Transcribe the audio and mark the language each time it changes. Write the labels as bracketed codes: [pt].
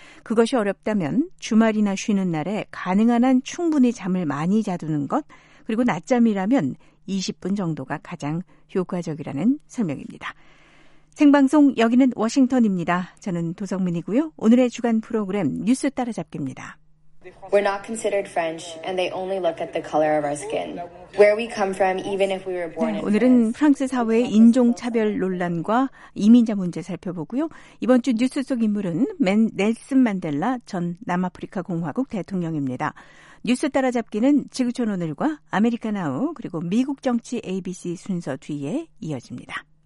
[ko] 그것이 어렵다면 주말이나 쉬는 날에 가능한 한 충분히 잠을 많이 자두는 것, 그리고 낮잠이라면 20분 정도가 가장 효과적이라는 설명입니다. 생방송 여기는 워싱턴입니다. 저는 도성민이고요. 오늘의 주간 프로그램 뉴스 따라잡기입니다. [en] We're not considered French and they only look at the color of our skin. Where we come from even if we were born in [ko] 오늘은 프랑스 사회의 인종 차별 논란과 이민자 문제 살펴보고요. 이번 주 뉴스 속 인물은 넬슨 만델라 전 남아프리카 공화국 대통령입니다. 뉴스 따라잡기는 지구촌 오늘과 아메리카 나우 그리고 미국 정치 ABC 순서 뒤에 이어집니다.